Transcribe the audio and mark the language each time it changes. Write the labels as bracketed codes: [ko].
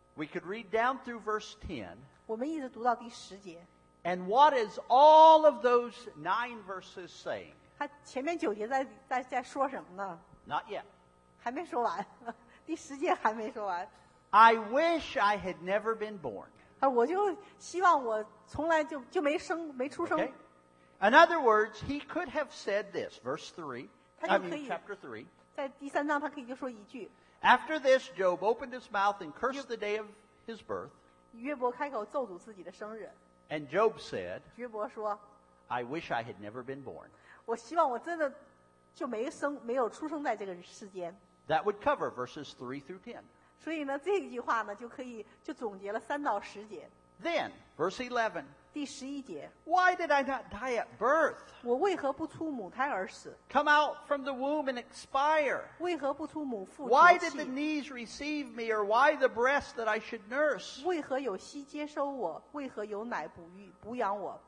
[en] We could read down through verse 10. [zh] 我们一直读到第十节。 [en] And what is all of those nine verses saying? [zh] 他前面九节在说什么呢 [en] ？Not yet. [zh] 还没说完，第十节还没说完。 [en] I wish I had never been born. [zh] 我就希望我从来就没生没出生。 [en] Okay. In other words, he could have said this, verse 3, I mean chapter 3. [zh] 在第三章他可以就说一句。 [en] After this, Job opened his mouth and cursed the day of his birth. [zh] 约伯开口咒诅自己的生日。 [en] And Job said, [zh] 约伯说 [en] I wish I had never been born. [zh] 我希望我真的就没生没有出生在这个世间。 [en] That would cover verses 3 through 10. [zh] 所以呢这一句话呢就可以就总结了三到十节。 [en] Then, verse 11. [zh] 第十一节 [en] Why did I not die at birth? [zh] 我为何不出母胎而死 [en] Come out from the womb and expire. [zh] 为何不出母腹 [en] Why did the knees receive me or why the breast that I should nurse? [zh] 为何有膝接收我为何有奶哺育哺养我